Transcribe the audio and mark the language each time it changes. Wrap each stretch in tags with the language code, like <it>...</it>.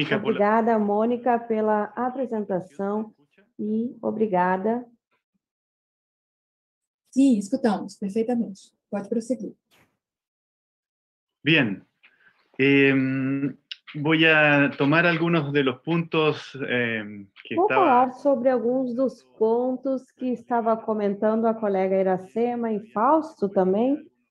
<pt>Obrigada, Mônica, pela apresentação e obrigada. Sim, escutamos perfeitamente. Pode prosseguir.</pt> <es>Bien. Voy a tomar algunos de los puntos que estaba...</es> <pt>Vou falar sobre alguns dos pontos que estava comentando a colega Iracema e Fausto também.</pt>